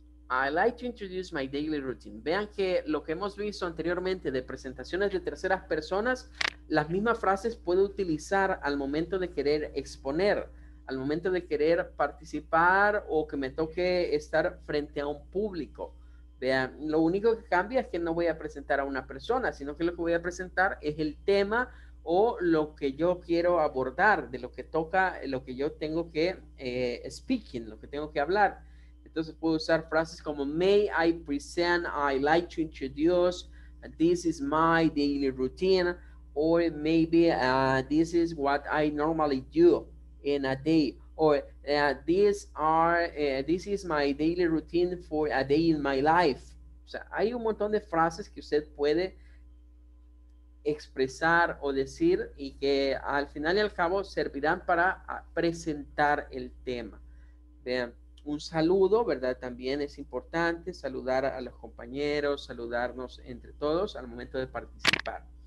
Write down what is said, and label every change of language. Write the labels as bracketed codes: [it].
[es] I like to introduce my daily routine. Vean que lo que hemos visto anteriormente de presentaciones de terceras personas, las mismas frases puedo utilizar al momento de querer exponer, al momento de querer participar o que me toque estar frente a un público. Vean, lo único que cambia es que no voy a presentar a una persona, sino que lo que voy a presentar es el tema o lo que yo quiero abordar, de lo que toca, lo que yo tengo que speaking, lo que tengo que hablar. [en] Entonces puedo usar frases como may I present, I like to introduce, this is my daily routine, or maybe this is what I normally do in a day, or this is my daily routine for a day in my life. [es] O sea, hay un montón de frases que usted puede expresar o decir y que al final y al cabo servirán para presentar el tema. Vean. Un saludo, ¿verdad? También es importante saludar a los compañeros, saludarnos entre todos al momento de participar.